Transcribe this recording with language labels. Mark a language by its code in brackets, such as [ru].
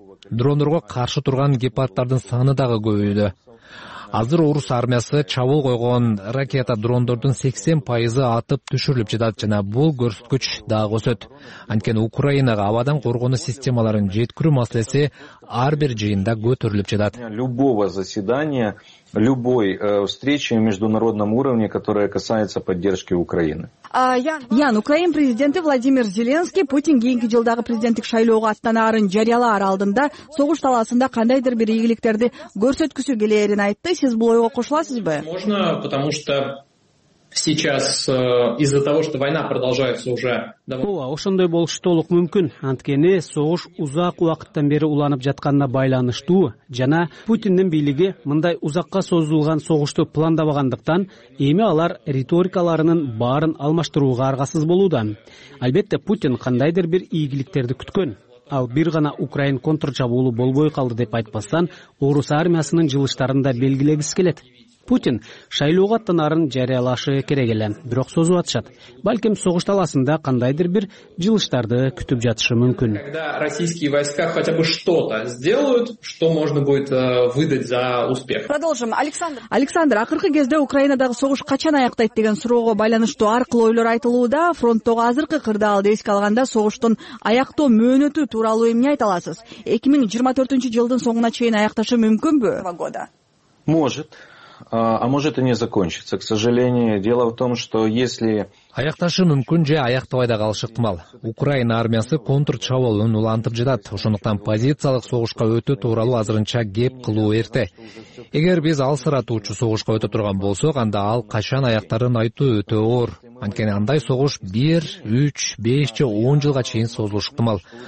[ky] Дрондорго каршы турган гепардтардын саны дагы көбөйдү. Азыр орус армиясы чабуул койгон ракета дрондордун 80% атып түшүрүлүп жатат жана бул көрсөткүч дагы өсөт. Анткени Украинага абадан коргоонуу системаларын жеткирүү маселеси ар бир жыйында көтөрүлүп жатат. [ru] Любого заседания, любой встречи на международном уровне, которая касается поддержки Украины. [ky] Ян, Украин президенти Владимир Зеленский Путин кийинки жылдагы президенттик шайлоого аттанаарын жарыялаар алдында согуш талаасында кандайдыр бир ийгиликтерди көрсөткүсү келээрин айтты. Сиз бул ойго кошуласызбы? [ru] Можно, потому что сейчас из-за того, что война продолжается уже... [ky] Ооба, ошондой болушу толук мүмкүн. Анткени согуш узак убакыттан бери уланып жатканына байланыштуу жана Путиндин бийлиги мындай узакка созулган согушту пландабагандыктан эми алар риторикаларынын баарын алмаштырууга аргасыз болууда. Албетте, Путин кандайдыр бир ийгиликтерди күткөн. Ал бир гана Украин контрчабуулу болбой калды деп айтпастан, орус армиясынын жылыштарында белгилегиси келет. Путин шайлоого аттанаарын жарыялашы керек эле, бирок созуп атышат. Балким согуш талаасында кандайдыр бир жылыштарды күтүп жатышы мүмкүн. [ru] Когда российские войска хотя бы что-то сделают, что можно будет выдать за успех. Продолжим. Александр. [ky] Александр, акыркы кезде Украинадагы согуш качан аяктайт деген суроого байланыштуу ар кылуу ойлор айтылууда. Фронттогу азыркы кырдаалды эске алганда согуштун аяктоо мөөнөтү тууралуу эмне айта аласыз? 2024 жылдын соңуна чейин аякташы мүмкүнбү? [ru] Может. А может и не закончится. К сожалению, дело в том, что если [ky] Аякташы мүмкүн же аяктабай да калышы ыктымал. Украина армиясы контр чабуулун улантып жатат. Ошондуктан позициялык согушка өтүү тууралуу азырынча кеп кылуу эрте. Эгер биз ал сыратуучу согушка өтө турган болсок, анда ал качан аяктарын айтуу өтө оор. Анткени андай согуш 1, 3, 5 же 10 жылга чейин созулушу ыктымал.